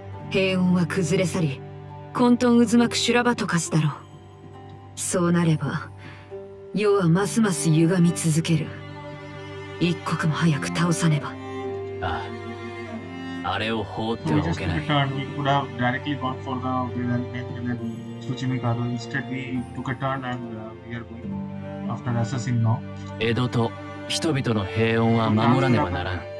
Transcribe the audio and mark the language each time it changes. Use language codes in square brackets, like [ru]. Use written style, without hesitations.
[ja] 平穏は崩れ去り、混沌渦巻く修羅場と化すだろう。そうなれば世はますます歪み続ける。一刻も早く倒さねば。ああ、あれを放ってはおけない。 [en] We just took a turn. We could have directly gone for the villain and then Tsuchimi Kado. Instead we took a turn and we are going after assassin now. [ja] 江戸と人々の平穏は守らねばならん。